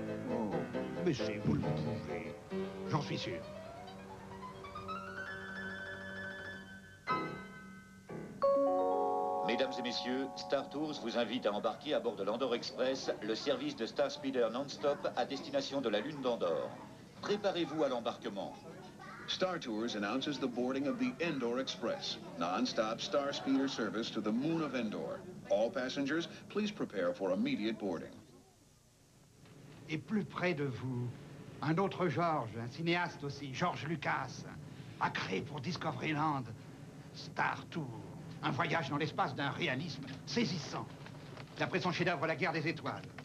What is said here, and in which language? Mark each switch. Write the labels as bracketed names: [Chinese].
[French] Oh, mais si vous le pouvez, j'en suis sûr. Mesdames et messieurs, Star Tours vous invite à embarquer à bord de l'Andorre Express, le service de Star Speeder non-stop à destination de la Lune d'Andorre. Préparez-vous à l'embarquement. [English] Star Tours announces the boarding of the Endor Express, non-stop Star Speeder service to the moon of Endor. All passengers, please prepare for immediate boarding. [French] Et plus près de vous, un autre Georges, un cinéaste aussi, George Lucas, a créé pour Discoveryland Star Tours. Un voyage dans l'espace d'un réalisme saisissant. D'après son chef-d'œuvre, La Guerre des Étoiles.